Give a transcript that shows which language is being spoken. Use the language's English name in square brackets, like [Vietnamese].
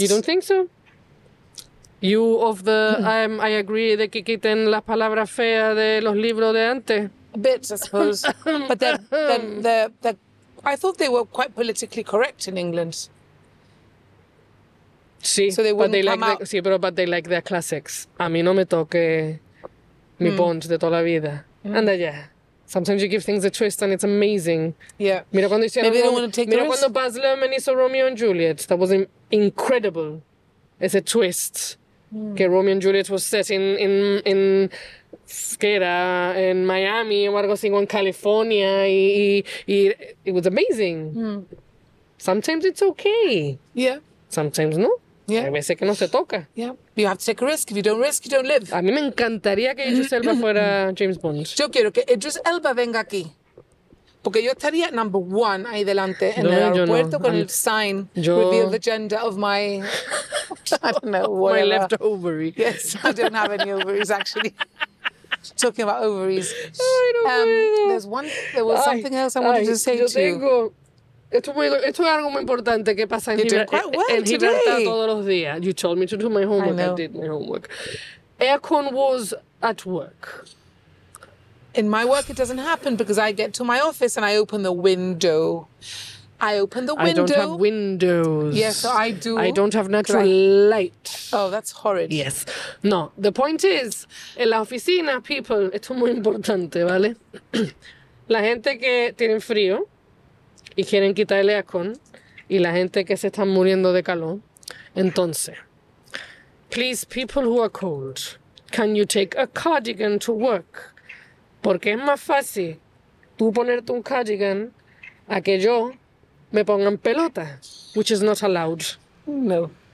[English] You don't think so? You of the, I agree, [Spanish] de que quiten la palabra fea de los libros de antes. [English] A bit, I suppose. But I thought they were quite politically correct in England. [Spanish] Sí, [English] so they wouldn't come out. [Spanish] Sí, pero [English] but they like their classics. [Spanish] A mí no me toque mi Bond de toda la vida. Mm. Anda ya. [English] Sometimes you give things a twist and it's amazing. Yeah. [Spanish] Mira cuando hicieron [English] Maybe they don't want to take [Spanish] Mira cuando Baz Luhrmann hizo Romeo and Juliet. [English] That was incredible. [Spanish] Ese twist. Mm. Que Romeo and Juliet [English] was set in [Spanish] que era en Miami o algo así, en California. Y [English] it was amazing. Mm. Sometimes it's okay. Yeah. Sometimes no. Yeah. [Spanish] Hay veces que no se toca. [English] Yeah. You have to take a risk. If you don't risk, you don't live. [Spanish] A mí me encantaría que Idris Elba fuera James Bond. Yo quiero que Idris Elba venga aquí. Porque yo estaría [English] number one [Spanish] ahí delante en no, el aeropuerto no. con el sign yo... [English] reveal the gender of my... I don't know, whatever. My left ovary. Yes, I don't have any ovaries, actually. Talking about ovaries. I don't know. There's one... There was something else I wanted to say [Spanish] yo [English] to you. [Spanish] Tengo... Esto es algo muy importante que pasa en Gibraltar todos los días. [English] You told me to do my homework. I did my homework. Aircon was at work. In my work, it doesn't happen because I get to my office and I open the window. I open the window. I don't have windows. Yes, so I do. I don't have natural light. Oh, that's horrid. Yes. [Spanish] No, [English] the point is, [Spanish] en la oficina, [English] people, [Spanish] esto es muy importante, ¿vale? La gente que tiene frío, y quieren quitar el aircon y la gente que se está muriendo de calor. Entonces, [English] please, people who are cold, can you take a cardigan to work? [Spanish] Porque es más fácil tú ponerte un cardigan a que yo me ponga en pelota, [English] which is not allowed. [Spanish] No.